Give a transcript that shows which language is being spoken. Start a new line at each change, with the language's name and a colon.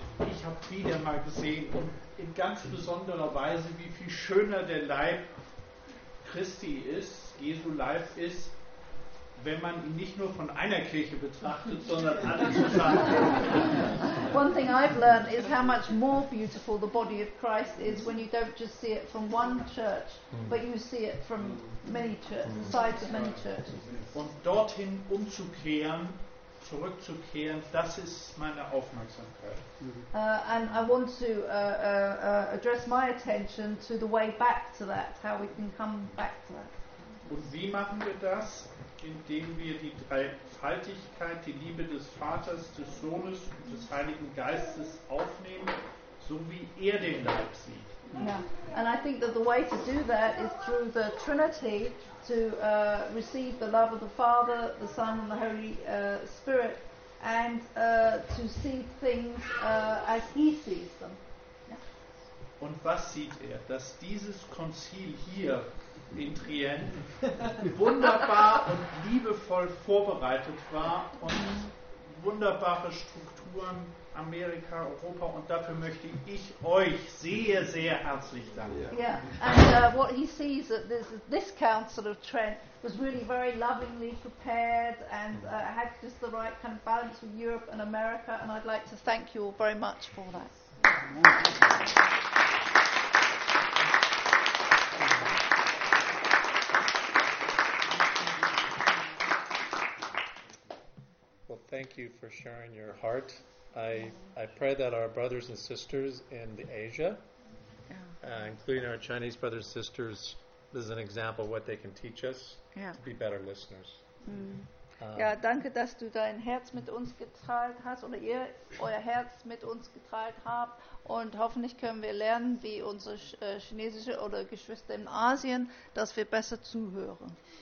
German: Ich habe wieder mal gesehen, in ganz besonderer Weise, wie viel schöner der Leib Christi ist, Jesu Leib ist, wenn man ihn nicht nur von einer Kirche betrachtet, sondern alle zusammen.
English: One thing I've learned is how much more beautiful the body of Christ is when you don't just see it from one church, but you see it from many churches, the sides of many churches.
German: Und dorthin umzukehren, zurückzukehren, das ist meine Aufmerksamkeit.
English: And I want to address my attention to the way back to that, how we can come back to that.
German: Und wie machen wir das? Indem wir die Dreifaltigkeit, die Liebe des Vaters, des Sohnes und des Heiligen Geistes aufnehmen, so wie er den Leib sieht.
English: Yeah. And I think that the way to do that is through the Trinity, to receive the love of the Father, the Son, and the Holy Spirit, and to see things as he sees them. Yeah.
German: Und was sieht er? Dass dieses Konzil hier in Trient wunderbar und liebevoll vorbereitet war und wunderbare Strukturen, Amerika, Europa, und dafür möchte ich euch sehr, sehr herzlich danken.
English: Yeah. And what he sees at this Council of Trent was really very lovingly prepared and had just the right kind of balance with Europe and America, and I'd like to thank you all very much for that. Well, thank you for sharing your heart. I pray that our brothers and sisters in the Asia, including our Chinese brothers and sisters, this is an example of what they can teach us to be better listeners.
German: Ja, danke, dass du dein Herz mit uns geteilt hast, oder ihr euer Herz mit uns geteilt habt. Und hoffentlich können wir lernen, wie unsere chinesische oder Geschwister in Asien, dass wir besser zuhören.